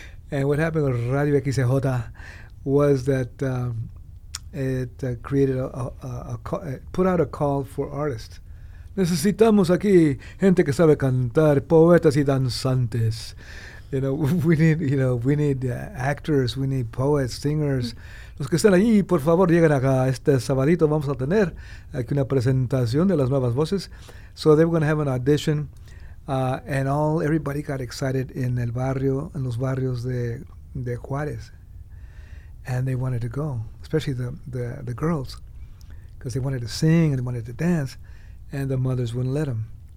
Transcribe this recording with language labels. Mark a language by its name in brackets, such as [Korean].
[English] And what happened with Radio XJ was that put out a call for artists. [Spanish] Necesitamos aquí gente que sabe cantar, poetas y danzantes. [English] You know, we need actors, we need poets, singers. [Spanish] Los que están allí, por favor, lleguen acá. Este sabadito vamos a tener aquí una presentación de las nuevas voces. [English] So they were going to have an audition, and everybody got excited in [Spanish] el barrio, en los barrios de Juárez. [English] And they wanted to go, especially the girls, because they wanted to sing and they wanted to dance, and the mothers wouldn't let them.